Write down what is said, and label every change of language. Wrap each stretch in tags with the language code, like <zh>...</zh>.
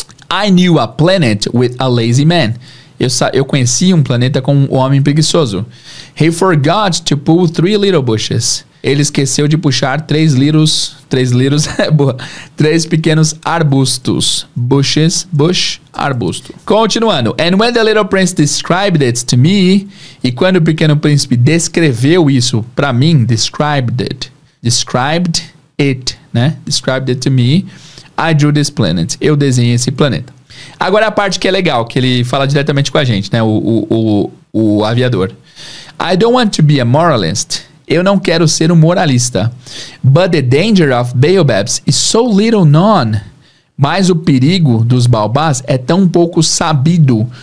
<en>I knew a planet with a lazy man.</en> <pt>Eu conheci um planeta com um homem preguiçoso.</pt> <en>He forgot to pull three little bushes.</en> <pt>Ele esqueceu de puxar três é boa. Três pequenos arbustos. Bushes, bush, arbusto. Continuando.</pt> <en>And when the little prince described it to me,</en> <pt>e quando o pequeno príncipe descreveu isso pra mim,</pt> <en>described it to me, I drew this planet.</en> <pt>Eu desenhei esse planeta. Agora a parte que é legal, que ele fala diretamente com a gente, né?</pt> <en>O aviador. I don't want to be a moralist.</en> <pt>Eu não quero ser um moralista.</pt> <en>But the danger of baobabs is so little known.</en> <pt>Mas o perigo dos baobás é tão pouco sabido.</pt>